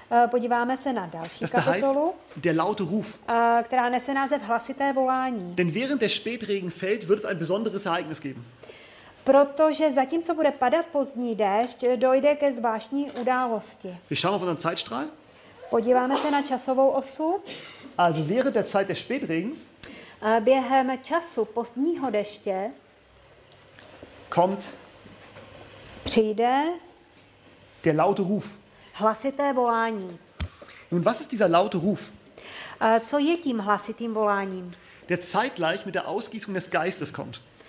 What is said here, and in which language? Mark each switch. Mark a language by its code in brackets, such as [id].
[cs] Podíváme se na další kapitolu. [de] Das heißt, der laute Ruf. [cs] Která nese název hlasité volání. [de] Denn während der Spätregen fällt, wird es ein besonderes Ereignis geben. [cs] Protože zatímco bude padat pozdní déšť, dojde ke zvláštní události. [de] Wir schauen auf unseren Zeitstrahl. [cs] Podíváme se na časovou osu. [de] Also während der Zeit des Spätregens. [cs] Během času pozdního deště. [de] Kommt. [cs] Přijde. [de] Der laute Ruf. [cs] Hlasité volání. [de] Nun, was ist dieser laute Ruf? [cs] Co je tím hlasitým voláním? [de] Der zeitgleich mit der Ausgießung des Geistes kommt.